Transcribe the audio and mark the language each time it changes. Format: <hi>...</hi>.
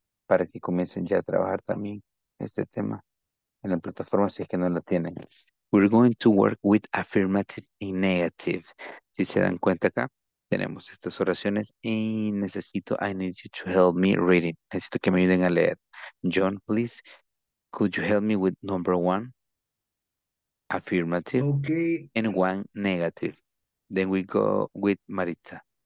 <es>Para que comiencen ya a trabajar también este tema en la plataforma, si es que no lo tienen.</es> <en>We're going to work with affirmative and negative.</en> <es>Si se dan cuenta acá, tenemos estas oraciones. Y necesito,</es> <en>I need you to help me reading.</en> <es>Necesito que me ayuden a leer.</es> <en>John, please, could you help me with number one? Affirmative, okay, and one negative. Then we go with Maritza.</en>